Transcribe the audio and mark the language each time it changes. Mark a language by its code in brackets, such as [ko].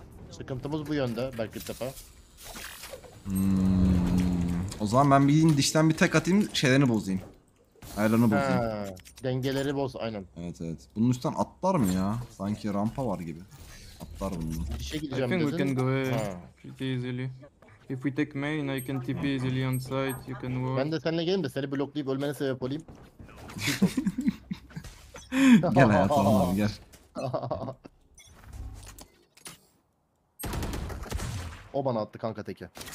[tr] Sıkıntımız bu yönde belki bir defa. O zaman ben bir dişten bir tek atayım, şeylerini bozayım. Ayranı bozayım. Ha, dengeleri boz, aynen. Evet evet. Bunun üstten atlar mı ya? Sanki rampa var gibi. Atlar bunu. Dişe gideceğim dedin. [en] I think we can go pretty easily. If we take main, I can TP easily on site, you can walk. [tr] Ben de seninle geleyim de seni bloklayıp ölmene sebep olayım. Gel hayatım abi, gel. O bana attı kanka teke.